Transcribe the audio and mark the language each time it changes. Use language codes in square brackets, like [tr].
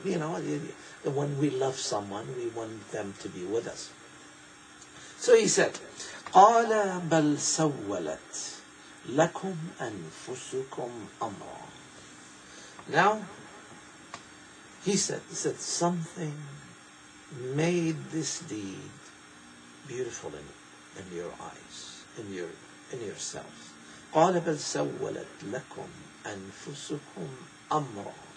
[en] You know, when we love someone, we want them to be with us. So he said, [ar] قَالَ بَلْ سَوَّلَتْ لَكُمْ أَنفُسُكُمْ أَمْرًا. [en] Now, he said, something made this deed beautiful in your eyes, in yourself. [ar] قَالَ بَلْ سَوَّلَتْ لَكُمْ أَنفُسُكُمْ أَمْرًا.